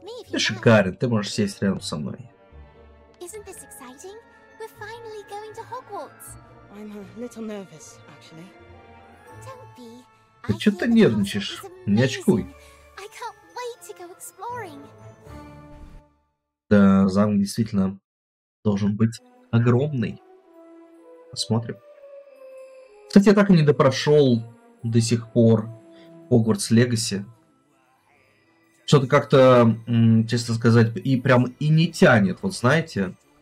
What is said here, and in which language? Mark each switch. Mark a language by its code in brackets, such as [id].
[ru] Ты шикарен, ты можешь сесть рядом со мной. [en] Isn't this exciting? We're finally going to Hogwarts. I'm a little nervous, actually. Don't be. [ru] Ты что-то нервничаешь? Не очкуй. [en] I can't wait to go exploring. [ru] Да, замок действительно должен быть огромный. Посмотрим. Кстати, я так и не допрошел до сих пор Hogwarts Legacy. Что-то как-то, честно сказать, и прям и не тянет, вот знаете.